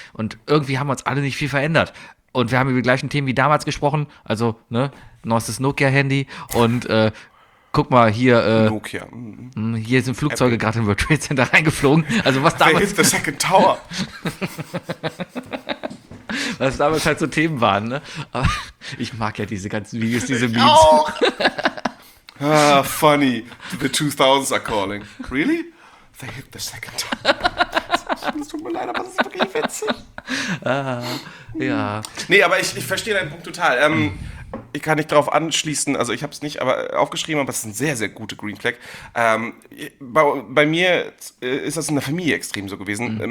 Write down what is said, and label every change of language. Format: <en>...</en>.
<de>Und irgendwie haben wir uns alle nicht viel verändert. Und wir haben über die gleichen Themen wie damals gesprochen, also, ne, neuestes Nokia-Handy und guck mal hier, Nokia. Hier sind Flugzeuge gerade im World Trade Center reingeflogen, also was damals.</de> <en>Where is the second tower?</en> <de>Was damals halt so Themen waren, ne. Aber ich mag ja diese ganzen Videos, diese Memes. Ich auch.</de> <en>Ah, funny, the 2000s are calling. Really? They hit the second tower.</en> <de>Das tut mir leid, aber das ist wirklich witzig. Ja. Nee, aber ich verstehe deinen Punkt total. Ich kann nicht darauf anschließen, also ich habe es nicht aufgeschrieben, aber es ist ein sehr, sehr guter Green Flag. Bei mir ist das in der Familie extrem so gewesen. Mhm.</de>